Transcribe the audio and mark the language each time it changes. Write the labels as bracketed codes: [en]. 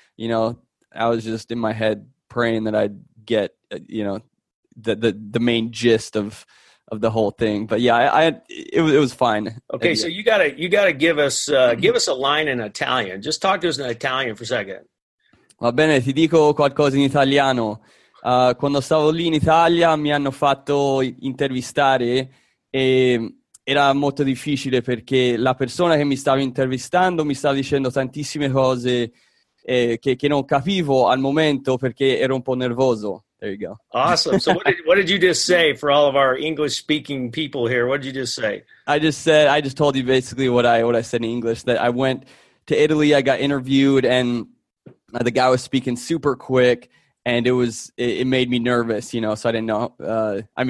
[en] You know, I was just in my head praying that I'd get, you know, the main gist of the whole thing. But yeah, it was fine. Okay, so you gotta give us a line in Italian. Just talk to us in Italian for a second. [it] Va bene, ti dico qualcosa in italiano. Quando stavo lì in Italia mi hanno fatto intervistare e era molto difficile perché la persona che mi stava intervistando mi stava dicendo tantissime cose che non capivo al momento perché ero un po' nervoso. [en] There you go. Awesome. So what did you just say for all of our English speaking people here? What did you just say? I just told you basically what I said in English, that I went to Italy, I got interviewed, and the guy was speaking super quick, and it made me nervous, you know, so I didn't know.